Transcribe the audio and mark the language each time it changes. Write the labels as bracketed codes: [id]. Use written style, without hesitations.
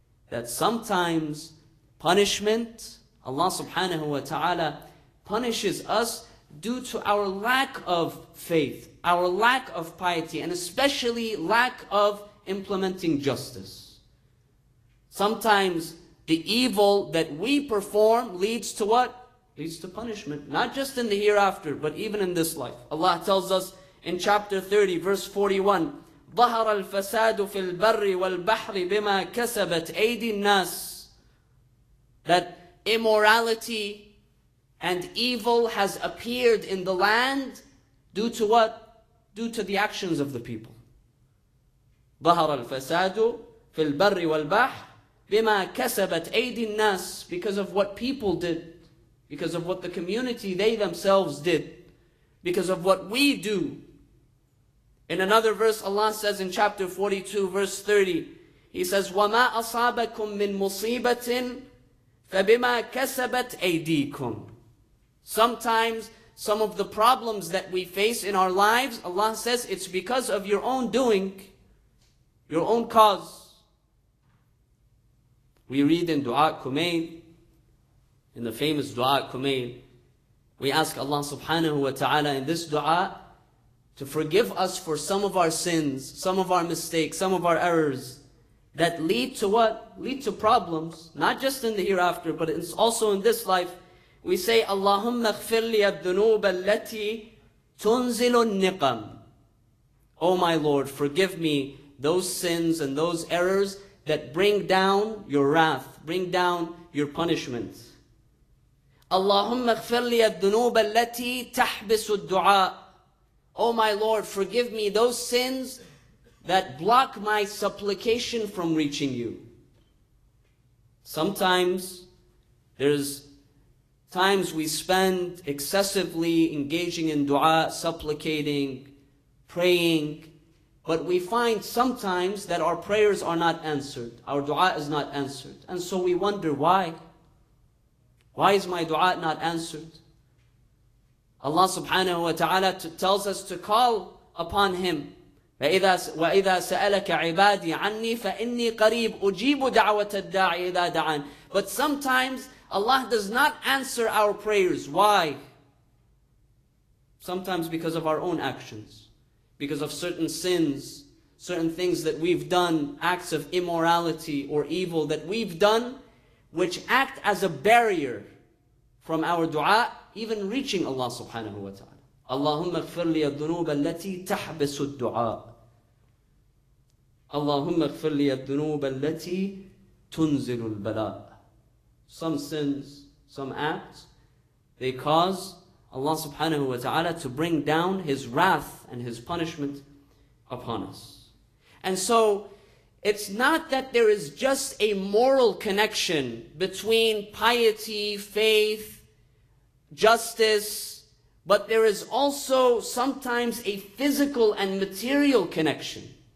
[en] That sometimes punishment, Allah subhanahu wa ta'ala punishes us due to our lack of faith, our lack of piety, and especially lack of implementing justice. Sometimes the evil that we perform leads to what? Leads to punishment. Not just in the hereafter, but even in this life. Allah tells us in chapter 30, verse 41, [ar] ظهر الفساد في البر والبحر بما كسبت أيدي الناس. [en] That immorality and evil has appeared in the land due to what? Due to the actions of the people. [ar] ظهر الفساد في البر والبحر بما كسبت أيدي الناس. [en] Because of what people did. Because of what the community, they themselves did. Because of what we do. In another verse, Allah says in chapter 42, verse 30, He says, [ar] وَمَا أَصَابَكُم مِّن مُصِيبَةٍ فَبِمَا كَسَبَتْ أَيْدِيكُمْ. [en] Sometimes, some of the problems that we face in our lives, Allah says, it's because of your own doing, your own cause. We read in Dua Kumail, in the famous Dua Kumail, we ask Allah subhanahu wa ta'ala in this dua, to forgive us for some of our sins, some of our mistakes, some of our errors that lead to what? Lead to problems, not just in the hereafter, but it's also in this life. We say, [ar] Allahumma اغفر لي الذنوب التي تنزل النقم. [en] Oh my Lord, forgive me those sins and those errors that bring down your wrath, bring down your punishment. Allahumma [ar] اغفر لي الذنوب التي تحبس الدعاء. [en] Oh my Lord, forgive me those sins that block my supplication from reaching you. Sometimes, there's times we spend excessively engaging in dua, supplicating, praying, but we find sometimes that our prayers are not answered, our dua is not answered. And so we wonder why. Why is my dua not answered? Allah subhanahu wa ta'ala tells us to call upon Him. [ar] وَإِذَا سَأَلَكَ عِبَادِي عَنِّي فَإِنِّي قَرِيبٌ أُجِيبُ دَعْوَةَ الدَّاعِ إِذَا دَعَانِ. [en] But sometimes Allah does not answer our prayers. Why? Sometimes because of our own actions. Because of certain sins, certain things that we've done, acts of immorality or evil that we've done, which act as a barrier from our dua, even reaching Allah subhanahu wa ta'ala. Allahumma [ar] اغفر لي الذنوب التي تحبس الدعاء. [en] Allahumma [ar] اغفر لي الذنوب التي تنزل البلاء. [en] Some sins, some acts, they cause Allah subhanahu wa ta'ala to bring down His wrath and His punishment upon us. And so, it's not that there is just a moral connection between piety, faith, justice, but there is also sometimes a physical and material connection.